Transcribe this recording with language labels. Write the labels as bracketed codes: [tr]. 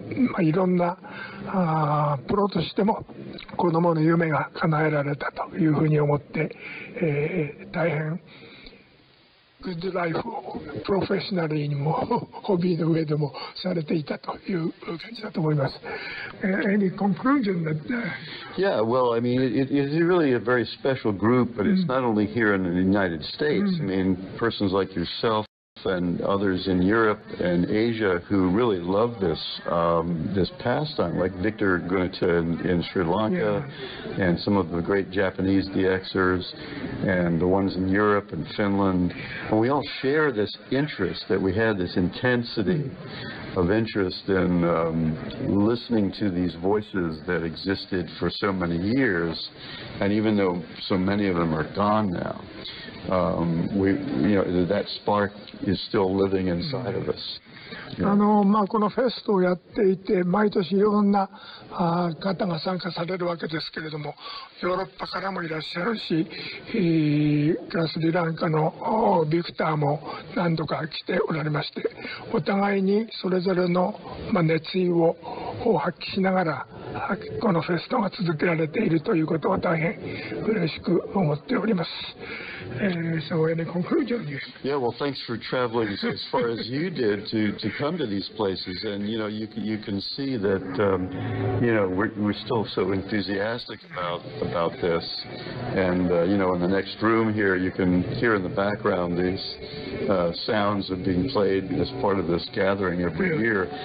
[ja] まあ、いろんなプロとしても子どもの夢が叶えられたというふうに思って、大変グッドライフをプロフェッショナルにもホビーの上でもされていたという感じだと思います。 [en] Any conclusion that? Yeah, well, I mean, it's really a very special group, but it's not only here in the United States. I mean, persons like yourself and others in Europe and Asia who really love this this pastime, like Victor Gunita in Sri Lanka, and some of the great Japanese DXers, and the ones in Europe and Finland. And we all share this interest, that we had this intensity of interest in listening to these voices that existed for so many years. And even though so many of them are gone now, that spark is still living inside of us. [ja] まあ、このフェストをやっていて、毎年いろんな方が参加されるわけですけれども、ヨーロッパからもいらっしゃるし、スリランカのビクターも何度か来ておられまして、お互いにそれぞれの、まあ、熱意を発揮しながらこのフェストが続けられているということは大変嬉しく思っております。 [en] So any conclusion? Yeah, well, thanks for traveling as far as you did to come to these places, and you know, you can see that we're still so enthusiastic about this, and in the next room here you can hear in the background these sounds are being played as part of this gathering every year.